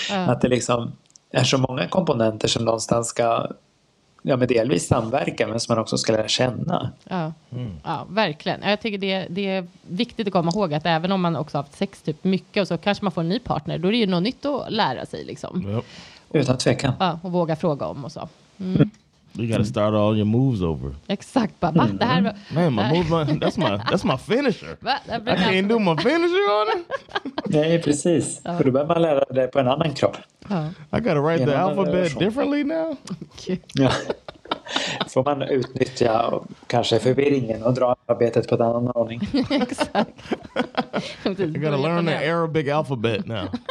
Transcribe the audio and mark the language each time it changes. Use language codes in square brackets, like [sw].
[sv] Att det liksom är så många komponenter som någonstans ska med delvis samverka, men som man också ska lära känna. Ja, verkligen. Jag tycker det är viktigt att komma ihåg att även om man också har haft sex typ mycket, och så kanske man får en ny partner, då är det ju något nytt att lära sig. Liksom. Ja. Utan tvekan. Ja, och våga fråga om och så. Mm. [en] You gotta start all your moves over. [sv] Exakt, pappa. Mm. Det här, [en] man, my move, that's my finisher. I can't do my finisher on it. [sv] Nej, precis. Ja. För då behöver man lära det på en annan kropp. [en] Ja. I gotta write the alphabet differently now. [sv] Okay. Ja. Får man utnyttja kanske förvirringen och dra arbetet på en annan ordning. Exakt. [en] I gotta learn the Arabic alphabet now.